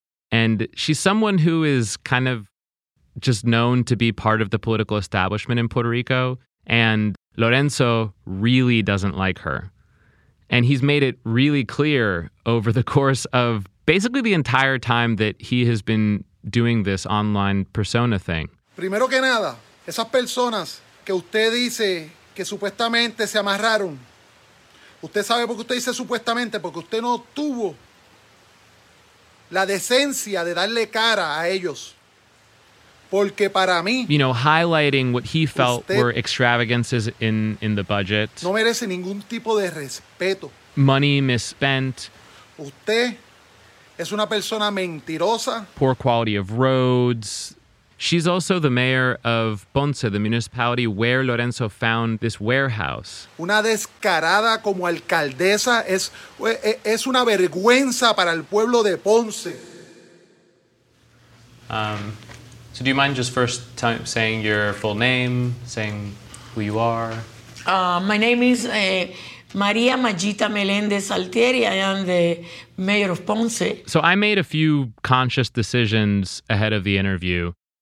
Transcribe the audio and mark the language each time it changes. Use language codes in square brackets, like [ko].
[en] And she's someone who is kind of just known to be part of the political establishment in Puerto Rico. And Lorenzo really doesn't like her. And he's made it really clear over the course of basically the entire time that he has been doing this online persona thing. [es] Primero que nada, esas personas que usted dice que supuestamente se amarraron. Usted sabe por qué usted dice supuestamente, porque usted no tuvo la decencia de darle cara a ellos. Porque para mí, [en] you know, highlighting what he felt were extravagances in the budget. [es] No merece ningún tipo de respeto. [en] Money misspent. [es] Usted es una persona mentirosa. [en] Poor quality of roads. She's also the mayor of Ponce, the municipality where Lorenzo found this warehouse. [es] Una descarada como alcaldesa es una vergüenza para el pueblo de Ponce. [en] So do you mind just first saying your full name, saying who you are? My name is Maria Mayita Meléndez Altieri. I am the mayor of Ponce. So I made a few conscious decisions ahead of the interview.